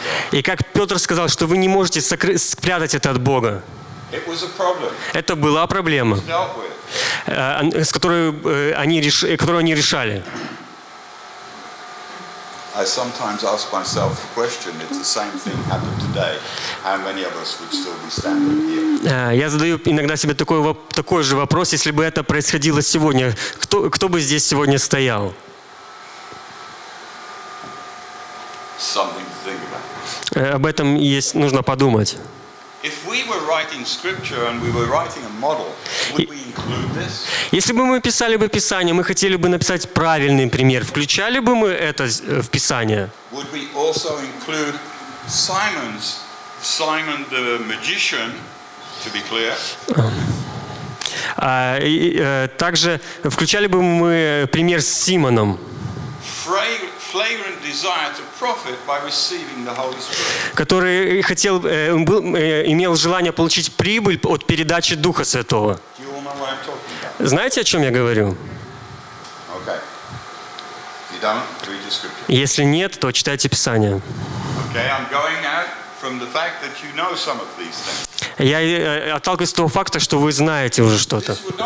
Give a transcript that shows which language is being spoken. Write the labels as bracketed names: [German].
[Russian] И как Петр сказал, что вы не можете спрятать это от Бога. Это была проблема, которую они решали. [English] I sometimes ask myself the question, if the same thing happened today, how many of us would still be standing here? [Russian] Я задаю иногда себе такой же вопрос, если бы это происходило сегодня, кто бы здесь сегодня стоял? [English] Something to think about. [Russian] Об этом есть нужно подумать. [English] If we were writing scripture and we were writing a model, would we include this? [Russian] Если бы мы писали бы Писание, мы хотели бы написать правильный пример. Включали бы мы это в Писание? [English] Would we also include Simon the magician? to be clear. [Russian] Также включали бы мы пример с Симоном. [English] Flagrant desire to profit by receiving the Holy Spirit. [Russian] Который хотел, имел желание получить прибыль от передачи Духа Святого. Знаете, о чем я говорю? [English] Okay. If you don't, read the scripture. [Russian] Если нет, то читайте Писание. [English] Okay, I'm going out from the fact that you know some of these things. [Russian] Я отталкиваюсь от того факта, что вы знаете уже что-то.